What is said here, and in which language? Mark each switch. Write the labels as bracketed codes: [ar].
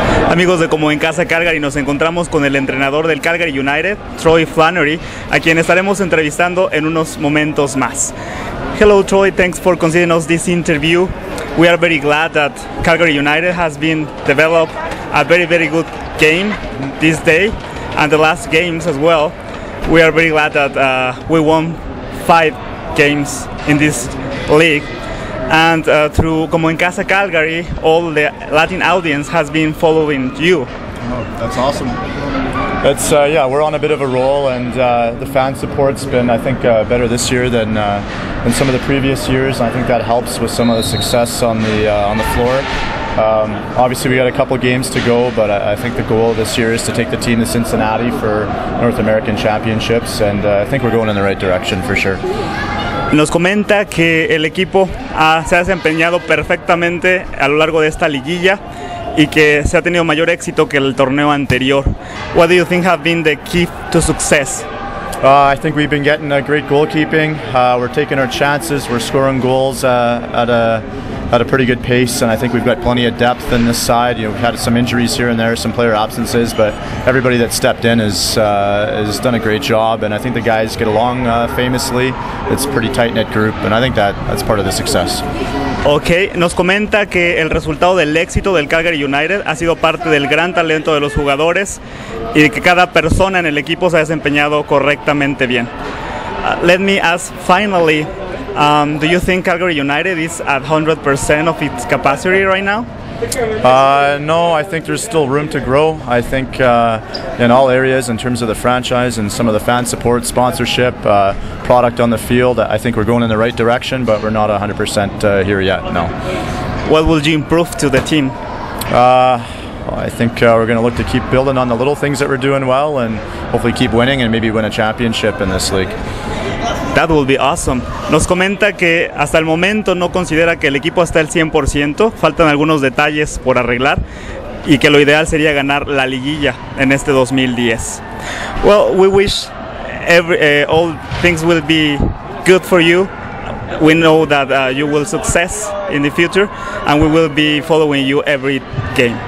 [es] Amigos de Como en Casa Calgary, nos encontramos con el entrenador del Calgary United, Troy Flannery, a quien estaremos entrevistando en unos momentos más. [en] Hello Troy, thanks for considering us this interview. We are very glad that Calgary United has been developed a very, very good game this day and the last games as well. We are very glad that we won 5 games in this league. And through Como en Casa Calgary, all the Latin audience has been following you. Oh, that's awesome. It's, we're on a bit of a roll, and the fan support's been, I think, better this year than some of the previous years. And I think that helps with some of the success on the floor. Obviously, we got a couple games to go, but I think the goal this year is to take the team to Cincinnati for North American Championships, and I think we're going in the right direction for sure. [es] Nos comenta que el equipo se ha desempeñado perfectamente a lo largo de esta liguilla y que se ha tenido mayor éxito que el torneo anterior. [en] What do you think have been the key to success? I think we've been getting a great goalkeeping. We're taking our chances. We're scoring goals at a pretty good pace, and I think we've got plenty of depth in this side. You know, we've had some injuries here and there, some player absences, but everybody that stepped in has done a great job, and I think the guys get along famously. It's a pretty tight-knit group, and I think that's part of the success. [es] Okay, nos comenta que el resultado del éxito del Calgary United ha sido parte del gran talento de los jugadores y que cada persona en el equipo se ha desempeñado correctamente bien. [en] Let me ask finally, do you think Calgary United is at 100% of its capacity right now? No, I think there's still room to grow. I think in all areas, in terms of the franchise and some of the fan support, sponsorship, product on the field, I think we're going in the right direction, but we're not 100% here yet, no. What will you improve to the team? I think we're going to look to keep building on the little things that we're doing well and hopefully keep winning and maybe win a championship in this league. That will be awesome. [es] Nos comenta que hasta el momento no considera que el equipo está al 100%, faltan algunos detalles por arreglar y que lo ideal sería ganar la liguilla en este 2010. [en] Well, we wish all things will be good for you. We know that you will success in the future and we will be following you every game.